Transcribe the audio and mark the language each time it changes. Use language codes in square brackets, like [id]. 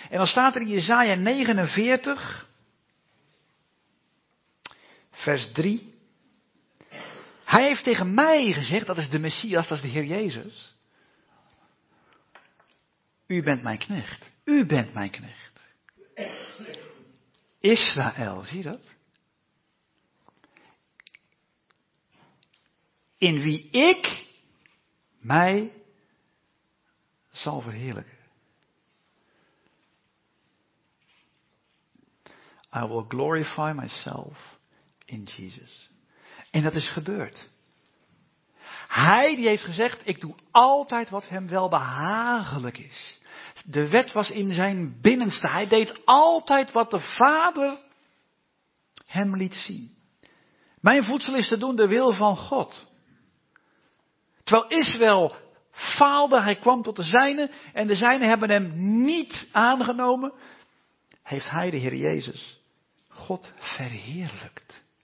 [nl] En dan staat er in Jesaja 49, vers 3, hij heeft tegen mij gezegd, dat is de Messias, dat is de Heer Jezus, u bent mijn knecht, u bent mijn knecht. Israël, zie je dat? In wie ik mij zal verheerlijken. [en] I will glorify myself in Jesus. [nl] En dat is gebeurd. Hij die heeft gezegd, ik doe altijd wat hem wel behagelijk is. De wet was in zijn binnenste. Hij deed altijd wat de Vader hem liet zien. Mijn voedsel is te doen de wil van God. Terwijl Israël faalde, hij kwam tot de zijnen en de zijnen hebben hem niet aangenomen, heeft hij, de Heer Jezus, God verheerlijkt.